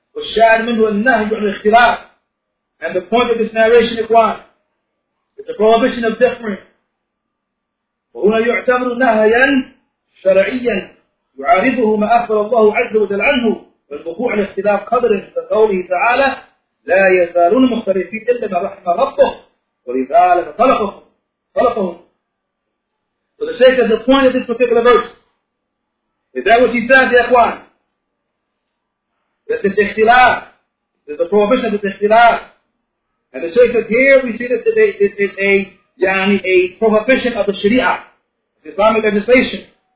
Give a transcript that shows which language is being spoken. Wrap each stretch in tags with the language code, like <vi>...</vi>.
<ar>والشاهد منه النهي عن الاختلاف.</ar> <en>And the point of this narration is what? It's a prohibition of differing.</en> <ar>وهنا يعتبر نهيا شرعيا يعارضه ما أخبر الله عز وجل عنه والوقوع الاختلاف قدر كقوله تعالى لا يزالون مختلفين إلا ما رحم ربه ولذلك خلقهم.</ar> <en>So the sake of the point of this particular verse is that what he said, يا إخوان. That this ikhtilaf, there's a prohibition of this ikhtilaf. And the Shaykh says here we see that this is a prohibition of the Sharia, Islamic legislation.</en>